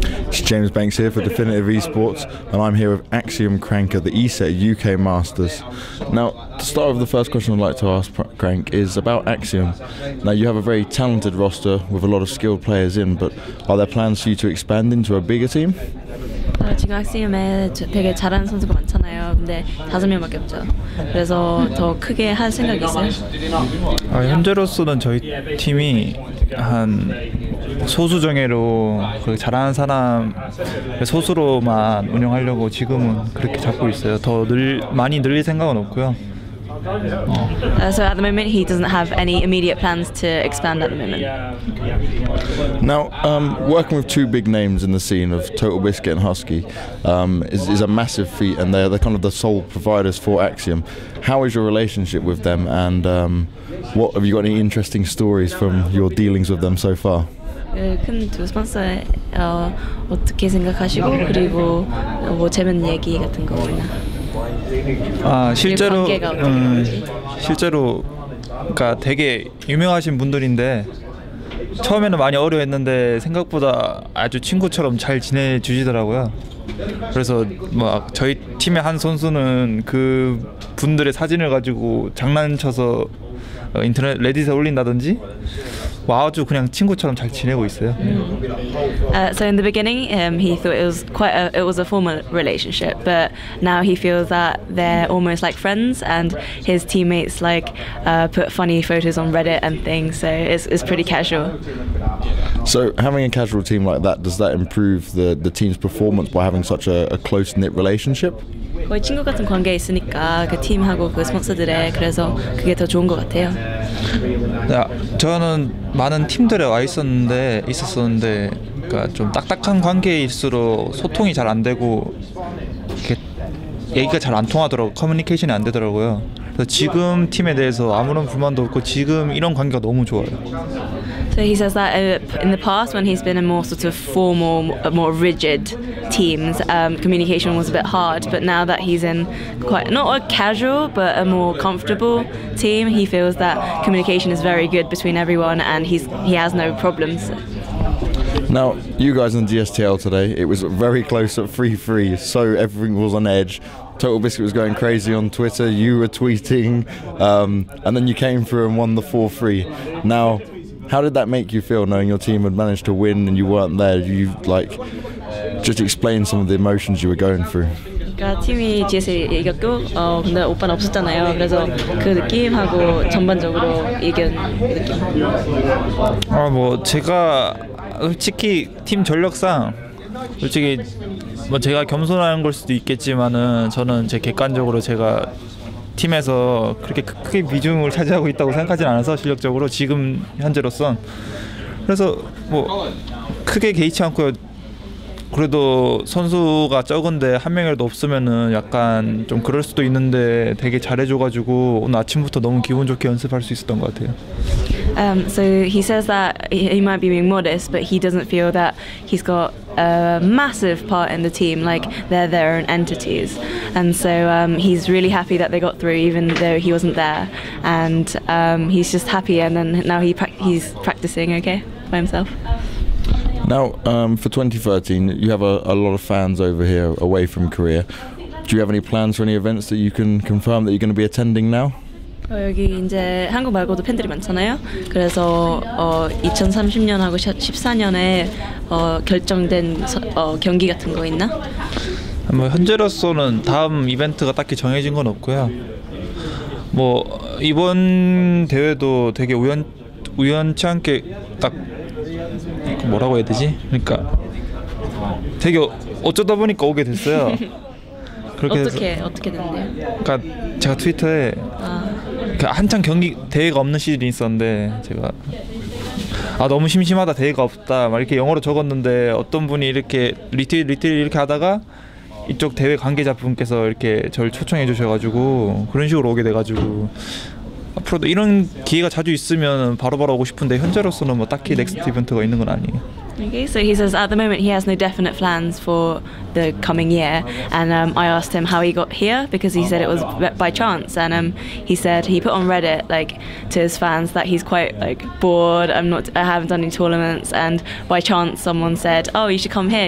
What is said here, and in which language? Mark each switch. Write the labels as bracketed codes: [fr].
[en] James Banks here for Definitive Esports, and I'm here with Axiom CranK at the ESET UK Masters. Now, to start off, the first question I'd like to ask CranK is about Axiom. Now, you have a very talented roster with a lot of skilled players in, but are there plans for you to expand into a bigger team? [ko] 지금 Axiom에 되게 잘하는 선수가 많잖아요. 근데 다섯 명밖에 없죠. 그래서 더 크게 할 생각이 있어요. 현재로서는 저희 팀이 한 소수 정예로 그 잘하는 사람 소수로만 운영하려고 지금은 그렇게 잡고 있어요. 더 많이 늘릴 생각은 없고요. [en] So at the moment he doesn't have any immediate plans to expand at the moment. Now, working with two big names in the scene of Total Biscuit and Husky is a massive feat, and they're kind of the sole providers for Axiom. How is your relationship with them, and what have you got any interesting stories from your dealings with them so far? [ko] 큰 두 스폰서 어떻게 생각하시고 그리고 뭐 재밌는 얘기 같은 거 있나? 아 실제로 실제로 그러니까 되게 유명하신 분들인데 처음에는 많이 어려웠는데 생각보다 아주 친구처럼 잘 지내주시더라고요. 그래서 막 저희 팀의 한 선수는 그 분들의 사진을 가지고 장난쳐서 인터넷 레딧에 올린다든지. 아주 그냥 친구처럼 잘 지내고 있어요. [en] So in the beginning, he thought it was a formal relationship, but now he feels that they're almost like friends, and his teammates like put funny photos on Reddit and things, so it's pretty casual. So having a casual team like that, does that improve the team's performance by having such a close knit relationship? [ko] 거의 친구 같은 관계 있으니까 그 팀하고 그 스폰서들에 그래서 그게 더 좋은 것 같아요. 야, 저는 많은 팀들에 와 있었는데 그러니까 좀 딱딱한 관계일수록 소통이 잘 안 되고 이렇게 얘기가 잘 안 통하더라고 커뮤니케이션이 안 되더라고요. 그래서 지금 팀에 대해서 아무런 불만도 없고 지금 이런 관계가 너무 좋아요. [en] So he says that in the past when he's been in more sort of formal, more rigid teams, communication was a bit hard, but now that he's in quite, not a casual, but a more comfortable team, he feels that communication is very good between everyone and he has no problems. Now, you guys in DSTL today, it was very close at 3-3, so everything was on edge. Total Biscuit was going crazy on Twitter, you were tweeting, and then you came through and won the 4-3. Now, how did that make you feel knowing your team had managed to win and you weren't there? You like just explain some of the emotions you were going through. [ko] 팀이 GS에 이겼고 근데 오빠는 없었잖아요. 그래서 그 느낌하고 전반적으로 이긴 느낌. 뭐 제가 솔직히 팀 전력상 솔직히 뭐 제가 겸손한 걸 수도 있겠지만은 저는 제 객관적으로 제가 팀에서 그렇게 크게 비중을 차지하고 있다고 생각하진 않아서 실력적으로 지금 현재로선 그래서 뭐 크게 개의치 않고요. 그래도 선수가 적은데 한 명이라도 없으면은 약간 좀 그럴 수도 있는데 되게 잘해줘가지고 오늘 아침부터 너무 기분 좋게 연습할 수 있었던 것 같아요. [en] So he says that he might be being modest, but he doesn't feel that he's got a massive part in the team, like they're their own entities. And so he's really happy that they got through even though he wasn't there. And he's just happy and then now he's practicing okay by himself. Now, for 2013, you have a lot of fans over here away from Korea. Do you have any plans for any events that you can confirm that you're going to be attending now? [ko] 여기 이제 한국 말고도 팬들이 많잖아요. 그래서 2030년하고 14년에 결정된 경기 같은 거 있나? 뭐 현재로서는 다음 이벤트가 딱히 정해진 건 없고요. 뭐 이번 대회도 되게 우연치 않게 딱 뭐라고 해야 되지? 그러니까 되게 어쩌다 보니까 오게 됐어요. 그렇게 어떻게 됐는데요? 그러니까 제가 트위터에 한창 경기 대회가 없는 시즌이 있었는데 제가 너무 심심하다 대회가 없다 막 이렇게 영어로 적었는데 어떤 분이 이렇게 리트윗 이렇게 하다가 이쪽 대회 관계자분께서 이렇게 저를 초청해 주셔가지고 그런 식으로 오게 돼가지고 앞으로도 이런 기회가 자주 있으면 바로 오고 싶은데 현재로서는 뭐 딱히 넥스트 이벤트가 있는 건 아니에요. [en] Okay, so he says at the moment he has no definite plans for the coming year, and I asked him how he got here because he said it was by chance, and he said he put on Reddit like to his fans that he's quite like bored. I haven't done any tournaments, and by chance someone said, oh, you should come here.